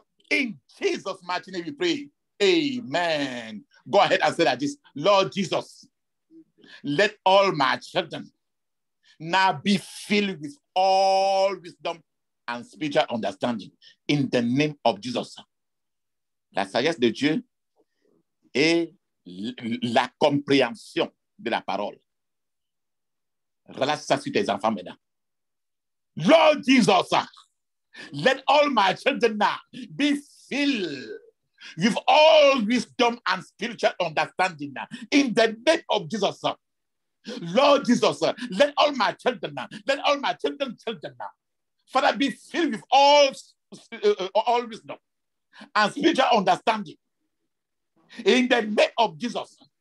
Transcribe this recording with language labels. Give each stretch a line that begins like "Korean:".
English: In Jesus' mighty name we pray. Amen. Go ahead and say that this. Lord Jesus, let all my children now be filled with all wisdom and spiritual understanding in the name of Jesus.
French: La sagesse de Dieu et la compréhension de la parole. Relâche ça sur tes enfants maintenant.
English: Lord Jesus, let all my children now be filled with all wisdom and spiritual understanding in the name of Jesus. Lord Jesus, let all my children now, let all my children now, Father, be filled with all wisdom and spiritual understanding in the name of Jesus.